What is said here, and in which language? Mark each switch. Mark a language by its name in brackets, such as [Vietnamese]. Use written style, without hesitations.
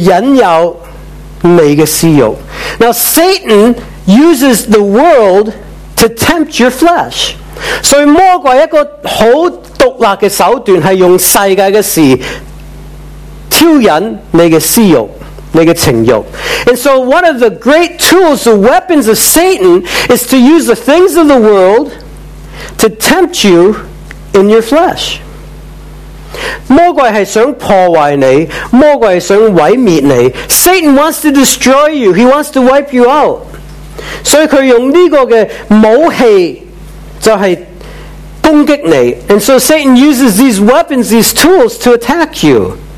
[Chinese] 魔鬼是透过世界去引诱你的私欲. [English] Now Satan uses the world to tempt your flesh. [Chinese] So 魔鬼一个很独立的手段是用世界的事挑引你的私欲，你的情欲。 [English] And so one of the great tools, the weapons of Satan, is to use the things of the world to tempt you in your flesh. [Chinese] 魔鬼是想破坏你，魔鬼是想毁灭你。 [English] Satan wants to destroy you. He wants to wipe you out. [Chinese] 所以他用这个武器就是攻击你。 [English] And so Satan uses these weapons, these tools to attack you.